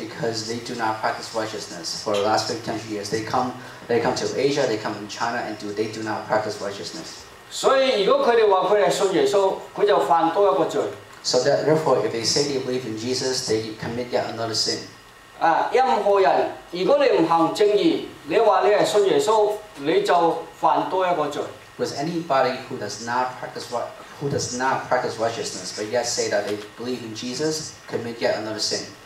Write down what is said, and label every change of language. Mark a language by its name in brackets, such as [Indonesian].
[English] Because they do not practice righteousness. For the last 1500 years, they come to Asia, they come in China, and they do not practice righteousness. So that, therefore, if they say they believe in Jesus, they commit yet another sin. [Cantonese] 任何人，如果你唔行正義，你話你係信耶穌，你就犯多一個罪。 [English] With anybody who does not practice what? Who does not practice righteousness, but yet say that they believe in Jesus, commit yet another sin.